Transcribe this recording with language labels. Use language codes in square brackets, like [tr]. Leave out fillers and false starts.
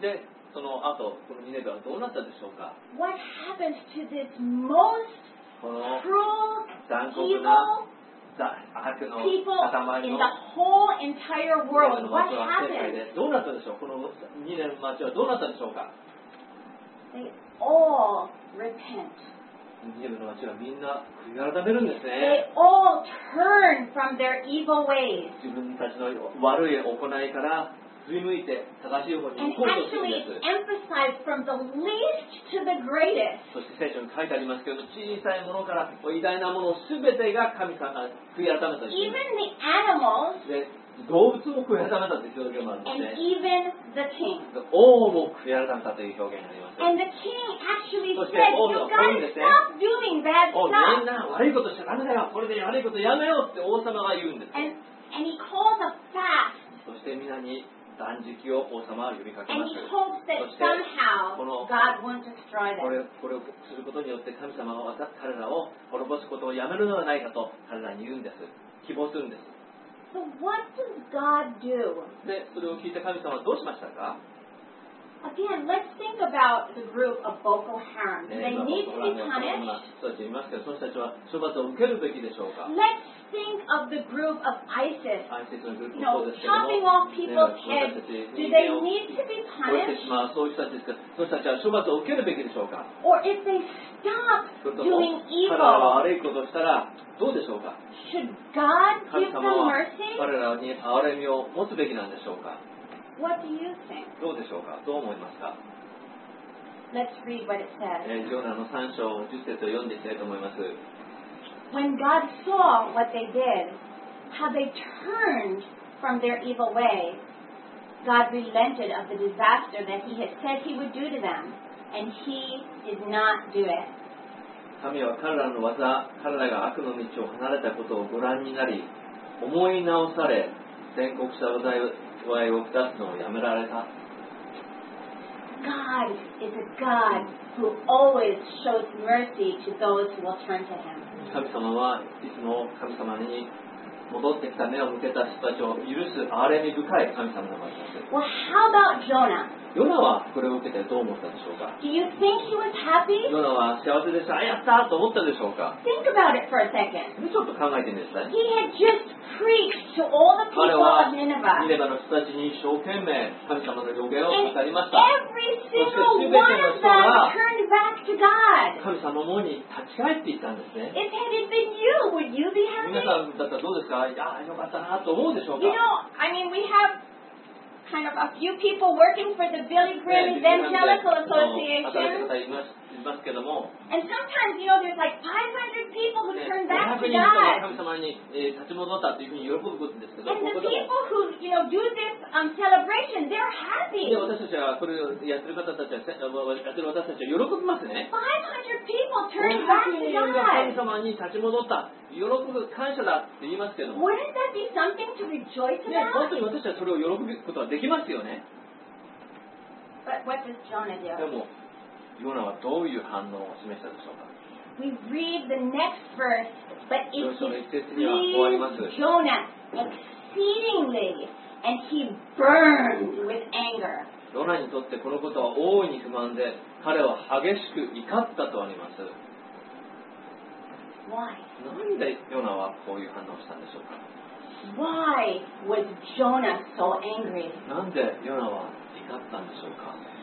[ja] で、その後、このニネベはどうなったでしょうか? [en] What happened to this most cruel, evil people in the whole entire world? What happened? [ja] どうなったでしょう? このニネベの町はどうなったでしょうか? [en] They all repent. They all turn from their evil ways. [ja] 自分たちの悪い行いから振り向いて正しい方に行こうとするんです。 [en] And actually emphasize from the least to the greatest. [ja] そして聖書に書いてありますけど、小さいものから偉大なものすべてが神様が悔い改めたんです。 [en] Even the animals. [ja] 動物も悔い改めたという表現もあるんですね。 [en] And even the king. [ja] 王も悔い改めたという表現があります。 [en] And the king actually said, you gotta stop doing bad stuff. [ja] みんな悪いことしちゃダメだよ。これで悪いことやめようって王様が言うんです。 [en] And he calls a fast. [ja] そしてみんなに断食を王様は呼びかけます。 [en] And he hopes that somehow God won't destroy them. [ja] これをすることによって神様は彼らを滅ぼすことをやめるのではないかと彼らに言うんです。希望するんです。 [en] So what does God do? [ja] で、それを聞いた神様はどうしましたか? [en] Again, let's think about the group of Boko Haram. They need to be punished. [ja] そうですね。その人たちは処罰を受けるべきでしょうか? [en] Let's think of the group of ISIS. ISIS のグループ、chopping off people's heads. Do they need to be punished? [ja] そういう人たちですか。その人たちは処罰を受けるべきでしょうか? [en] Or if they stop doing evil, [ja] 彼らは悪いことをしたらどうでしょうか? [en] Should God give them mercy? [ja] 彼らに憐れみを持つべきなんでしょうか? [en] What do you think? [ja] どうでしょうか?どう思いますか? [en] Let's read what it says. [ja] ジョナの3章10節を読んでいきたいと思います。 [en] When God saw what they did, how they turned from their evil way, God relented of the disaster that he had said he would do to them, and he did not do it. [ja] 神は彼らの技、彼らが悪の道を離れたことをご覧になり、思い直され、宣告した話題を下すのをやめられた。 [en] God is a God who always shows mercy to those who will turn to Him. [ja] 神様はいつも神様に戻ってきた目を向けた人たちを許す憐れみ深い神様でもあります。 [en] Well, how about Jonah? [ja] ヨナはこれを受けてどう思ったでしょうか? [en] Do you think he was happy? [ja] ヨナは幸せでした。あ、やったと思ったでしょうか? [en] Think about it for a second. [ja] ちょっと考えてみてください。 [en] He had just preached to all the people of Nineveh. [ja] 彼はニネベの人たちに一生懸命神様の予言を語りました。 [en] Every single one of them turned back to God. [ja] 神様の門に立ち返っていったんですね。 [en] If it had been you, would you be happy? [ja] 皆さんだったらどうですか? いや、よかったなと思うでしょうか? [en] You know, I mean, we haveKind of a few people working for the Billy Graham Evangelical Association. And sometimes, you know, there's like 500 people who turn back to God. And the people who, you know, do this celebration, they're happy. 500 people turn back to God. [ja] 喜ぶ感謝だって言いますけども [en] Wouldn't that be something to rejoice about? [ja] 本当に私はそれを喜ぶことはできますよね [en] But what does Jonah do? [ja] でもヨナはどういう反応を示したでしょうか [en] We read the next verse But if he sees Jonah exceedingly And he burned with anger [ja] ヨナにとってこのことは大いに不満で彼は激しく怒ったとあります [en] Why? [ja] なんでヨナはこういう反応をしたんでしょうか [en] Why was Jonah so angry? [ja] なんでヨナは怒ったんでしょうか